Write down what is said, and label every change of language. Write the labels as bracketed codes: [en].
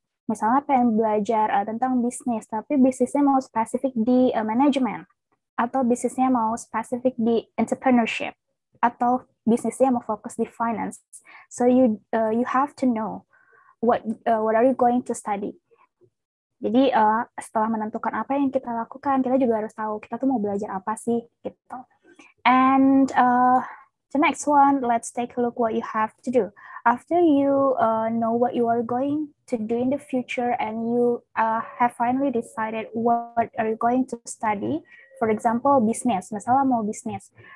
[id] Misalnya pengen belajar tentang bisnis, tapi bisnisnya mau spesifik di management, atau bisnisnya mau spesifik di entrepreneurship, atau bisnisnya mau fokus di finance. [en] So you have to know what are you going to study. [id] Jadi setelah menentukan apa yang kita lakukan, kita juga harus tahu kita tuh mau belajar apa sih gitu. [en] And the next one, let's take a look what you have to do. After you know what you are going to do in the future and you have finally decided what are you going to study, for example, business, [id] misalnya mau bisnis.